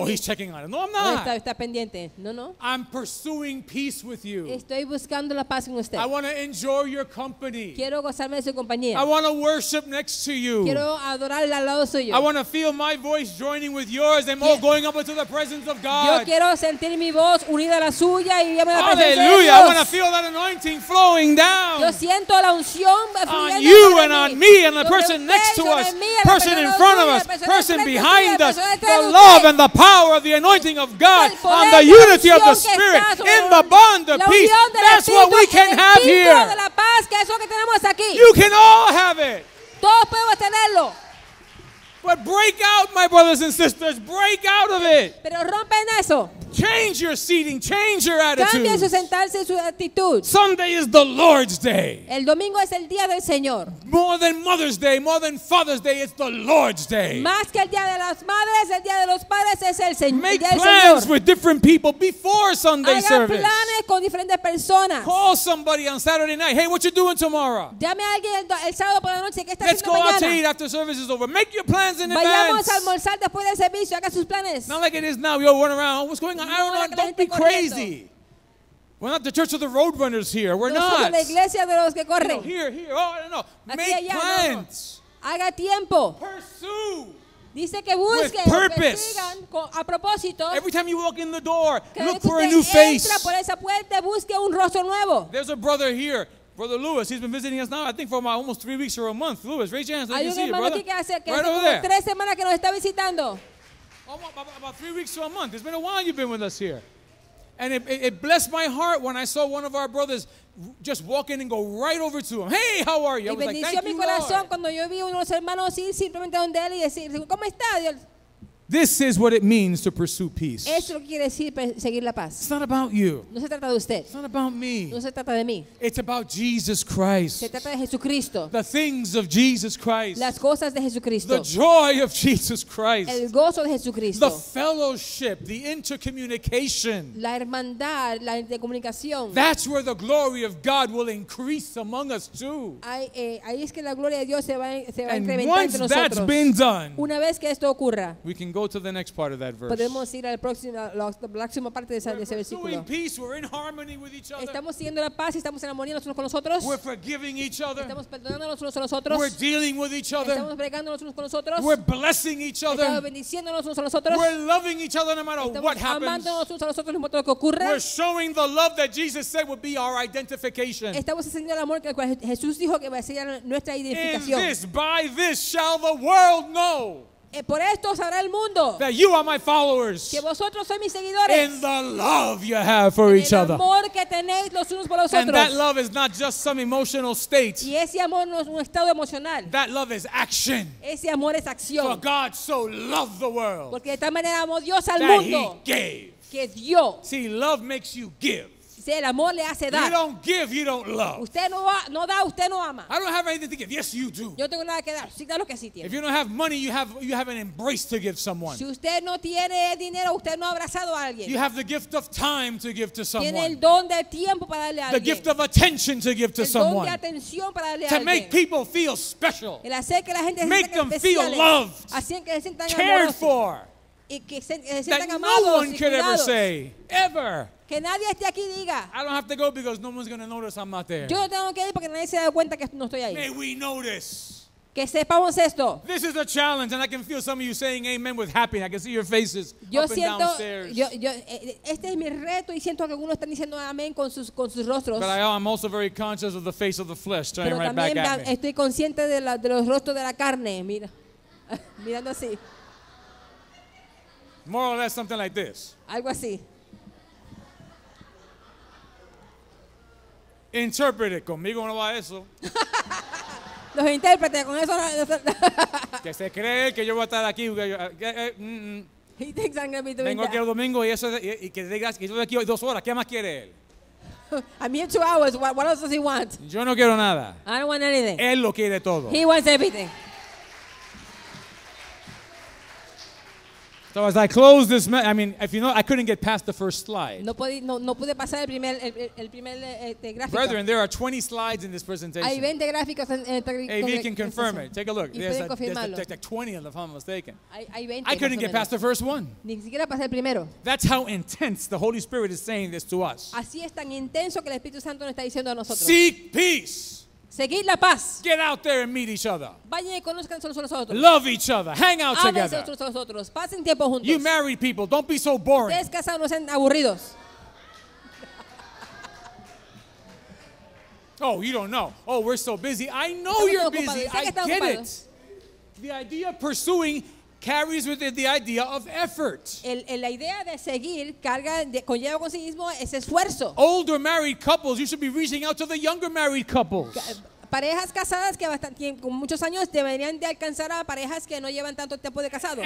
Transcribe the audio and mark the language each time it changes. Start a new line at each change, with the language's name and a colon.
English: Oh, he's checking on it. No, I'm not.
Spanish: Está pendiente. No.
English: I'm pursuing peace with you.
Spanish: Estoy buscando la paz con usted.
English: I want to enjoy your company.
Spanish: Quiero gozarme de su compañía.
English: I want to worship next to you.
Spanish: Quiero adorar al lado suyo.
English: I want to feel my voice joining with yours and all going up into the presence of God.
Spanish: Yo quiero sentir mi voz unida a la suya y a la presencia de Dios. Hallelujah!
English: I want to feel that anointing flowing down.
Spanish: Yo siento la unción
English: on you and on me and the person next to us, person in front of us, person behind us. The love and the power of the anointing of God on the unity of the Spirit in the bond of peace. That's what we can have here. You can all have it.
Spanish: Todos podemos tenerlo.
English: But break out, my brothers and sisters. Break out of it.
Spanish: Pero rompen eso.
English: Change your seating. Change your attitude.
Spanish: Cambia su sentarse y su actitud.
English: Sunday is the Lord's Day.
Spanish: El domingo es el día del Señor.
English: More than Mother's Day, more than Father's Day, it's the Lord's Day.
Spanish: Más que el día de las madres, el día de los padres es el Señor.
English: Make plans with different people before Sunday service.
Spanish: Haga planes con diferentes personas.
English: Call somebody on Saturday night. Hey, what you doing tomorrow?
Spanish: Llame a alguien el sábado por la noche. ¿Qué está
English: Let's
Spanish: haciendo mañana?
English: Let's go out to eat after service is over. Make your plans in
Spanish: Vayamos Vayamos a almorzar después del servicio. Haga sus planes.
English: Not like it is now. You all run around. What's going on? I don't know. Don't be crazy. We're not the church of the roadrunners here. We're not.
Spanish: La iglesia de los que corren.
English: No, here, here. Oh, no, no. Make plans.
Spanish: Haga tiempo.
English: Pursue.
Spanish: Dice que busquen, persigan a propósito.
English: Every time you walk in the door, look for a new face.
Spanish: Entra por esa puerta, busque un rostro nuevo.
English: There's a brother here, Brother Lewis. He's been visiting us now, I think, for about almost 3 weeks or a month. Lewis, raise your hands. Let me see you, brother.
Spanish: Que hace, que right hace
English: over there.
Spanish: 3 semanas que nos está visitando.
English: About 3 weeks or a month. It's been a while you've been with us here. And it blessed my heart when I saw one of our brothers just walk in and go right over to him. Hey, how are you? I was like, thank you, Lord. This is what it means to pursue peace. It's not about you.
Spanish: No se trata de usted.
English: It's not about me.
Spanish: No se trata de mí.
English: It's about Jesus Christ.
Spanish: Se trata de Jesucristo.
English: The things of Jesus Christ.
Spanish: Las cosas de Jesucristo.
English: The joy of Jesus Christ.
Spanish: El gozo de Jesucristo.
English: The fellowship, the intercommunication.
Spanish: La hermandad, la intercomunicación.
English: That's where the glory of God will increase among us too.
Spanish: Ahí es que la gloria de Dios se va a incrementar entre nosotros.
English: And once that's been done,
Spanish: una vez que esto ocurra,
English: we can go to the next part of that verse.
Spanish: Ir al próximo, la próxima parte de
English: we're
Spanish: ese versículo.
English: Pursuing peace, we're in harmony with each other.
Spanish: Estamos siguiendo la paz, estamos en armonía los unos con los otros.
English: We're forgiving each other.
Spanish: Estamos perdonando los unos a los otros.
English: We're dealing with each other.
Spanish: Estamos bregando los unos con los otros.
English: We're blessing each other.
Spanish: Estamos bendiciendo los unos a los otros.
English: We're loving each other no matter
Spanish: estamos
English: what happens.
Spanish: Estamos amando los unos a los otros no importa lo que ocurra.
English: We're showing the love that Jesus said would be our identification.
Spanish: Estamos enseñando el amor que Jesús dijo que va a ser nuestra identificación.
English: In this, by this shall the world know.
Spanish: Por esto sabrá el mundo
English: that you are my followers
Spanish: que vosotros sois mis seguidores
English: in the love you have for each other.
Spanish: En el amor que tenéis los unos por los otros.
English: And that love is not just some emotional state.
Spanish: Y ese amor no es un estado emocional.
English: That love is action.
Spanish: Ese amor es acción.
English: For God so loved the world
Spanish: porque de tal manera amó Dios al
English: that
Spanish: mundo
English: he gave.
Spanish: Que dio.
English: See, love makes you give.
Spanish: El amor le hace dar.
English: You don't give, you don't love.
Spanish: Usted no, no da, usted no ama.
English: I don't have anything to give. Yes, you do.
Spanish: Yo tengo nada que dar. Sí, claro que sí tiene.
English: If you don't have money, you have an embrace to give someone.
Spanish: Si usted no tiene dinero, usted no ha abrazado a alguien.
English: You have the gift of time to give to someone.
Spanish: Tiene el don de tiempo para darle a alguien.
English: The gift of attention to give to
Spanish: el
English: someone.
Spanish: Don de atención para darle a
English: to
Spanish: alguien.
English: Make people feel special.
Spanish: El hacer que la gente
English: make them
Spanish: especiales.
English: Feel loved.
Spanish: Así que se sientan
English: cared
Spanish: amorosos.
English: For. That no one could ever say, ever.
Spanish: Que nadie esté aquí diga.
English: I don't have to go because no one's going to notice I'm not there.
Spanish: Yo no tengo que ir porque nadie se da cuenta que no estoy ahí.
English: May we notice.
Spanish: Que sepamos esto.
English: This is a challenge, and I can feel some of you saying amen with happiness. I can see your faces
Spanish: yo
English: up
Spanish: siento,
English: and downstairs.
Spanish: Yo, este es mi reto, y siento que algunos están diciendo amén con sus rostros.
English: But I'm also very conscious of the face of the flesh turning
Spanish: pero
English: right back at me.
Spanish: Estoy consciente de los rostros de la carne, mira, mirando así.
English: More or less something like this.
Spanish: Algo así. Interprete conmigo no va eso. Los intérpretes con eso. Que se cree que yo voy a estar aquí. Vengo aquí el domingo y eso y que digas que yo estoy aquí hoy 2 horas. ¿Qué más quiere él?
English: I'm here 2 hours. What else does he want?
Spanish: Yo no quiero nada.
English: I don't want anything.
Spanish: Él lo quiere todo.
English: He wants everything. So as I close this, if you know, I couldn't get past the first slide.
Spanish: No pude pasar el primer gráfico.
English: Brethren, there are 20 slides in this presentation.
Spanish: Hay 20 gráficos en esta
English: AV can confirm it. Take a look. There's 20 if I'm not mistaken.
Spanish: Hay 20,
English: I couldn't get
Spanish: menos.
English: Past the first one.
Spanish: Ni siquiera pasé el primero.
English: That's how intense the Holy Spirit is saying this to us.
Spanish: Así es tan intenso que el Espíritu Santo nos está diciendo a nosotros.
English: Seek peace.
Spanish: Seguir la paz.
English: Get out there and meet each other.
Spanish: Vayan y conozcanse los unos a los otros.
English: Love each other. Hang out together.
Spanish: Ámense los unos a los otros. Pasen tiempo juntos.
English: You married people, don't be so boring.
Spanish: Ustedes casados no sean aburridos.
English: Oh, you don't know. Oh, we're so busy. I know you're busy. I get it. The idea of pursuing carries with it the idea of effort.
Spanish: La idea de seguir carga conlleva con sí mismo ese esfuerzo.
English: Older married couples, you should be reaching out to the younger married couples.
Spanish: Parejas casadas que con muchos años deberían de alcanzar a parejas que no llevan tanto tiempo de casados.